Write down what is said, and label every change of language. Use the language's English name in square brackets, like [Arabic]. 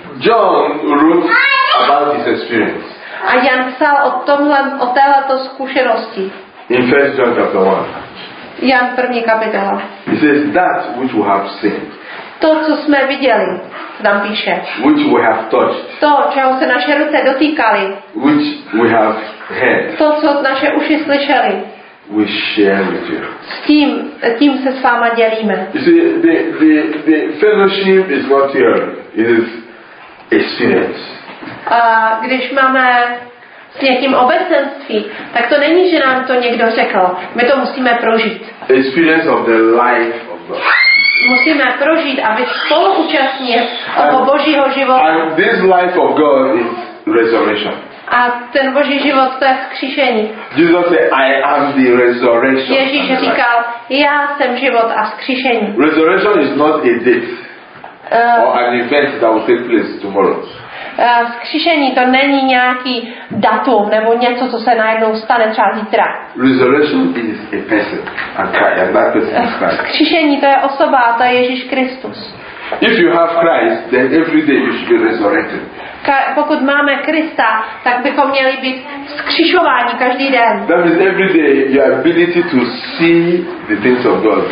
[English] John wrote about his experience. [Czech] A Jan psal o tomhle, o této zkušenosti. [English] In 1 John chapter 1. [Czech] Jan 1. kapitola. [English] He says that which we have seen. [Czech] To, co jsme viděli, nám píše. [English] Which we have touched. [Czech] To, čeho se naše ruce dotýkali. [English] Which we have heard. [Czech] To, co naše uši slyšeli. [English] We share with you. [Czech] S tím se s váma dělíme. [English] You see, the fellowship is not here. It is experience. [Czech] Když máme s někým obecenství, tak to není, že nám to někdo řekl. My to musíme prožít. [English] Experience of the life of God. [Czech] Musíme prožít a být spoluúčastní toho Božího života. [English] And this life of God is resurrection. [Czech] A ten Boží život, to je vzkříšení. [English] Jesus said, I am the resurrection. [Czech] Ježíš říkal, já jsem život a vzkříšení. [English] Resurrection is not a date or an event that will take place tomorrow. [Czech] Vzkříšení to není nějaký datum nebo něco, co se najednou stane třeba zítra. [English] Resurrection is a person, and that person is Christ. [Czech] Vzkříšení to je osoba, a to je Ježíš Kristus. [English] If you have Christ, then every day you should be resurrected. [Czech] Pokud máme Krista, tak bychom měli být vzkřišováni každý den. [English] That means every day your ability to see the things of God.